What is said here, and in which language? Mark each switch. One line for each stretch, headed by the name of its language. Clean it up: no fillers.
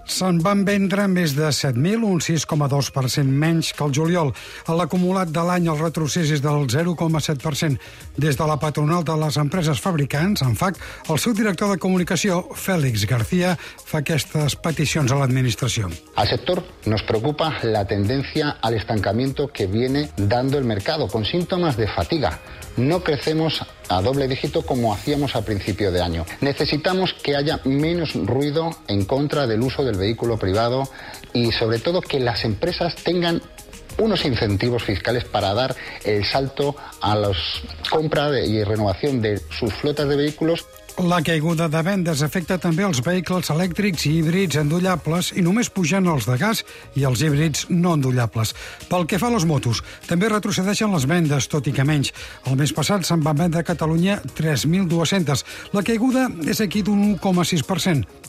Catalan: Se'n van vendre més de 7.000, un 6,2% menys que el juliol. A l'acumulat de l'any, el retrocés és del 0,7%. Des de la patronal de les empreses fabricants, ANFAC, el seu director de comunicació, Félix García, fa aquestes peticions a l'administració.
Spanish: Al sector nos preocupa la tendencia al estancamiento que viene dando el mercado, con síntomas de fatiga. No crecemos a doble dígito como hacíamos al principio de año. Necesitamos que haya menos ruido en contra del uso del vehículo privado y sobre todo que las empresas tengan unos incentivos fiscales para dar el salto a la compra y renovación de sus flotas de vehículos.
Catalan: La caiguda de vendes afecta també els vehicles elèctrics i híbrids endollables i només pugen els de gas i els híbrids no endollables. Pel que fa a les motos, també retrocedeixen les vendes, tot i que menys. El mes passat se'n van vendre a Catalunya 3.200. La caiguda és aquí d'un 1,6%.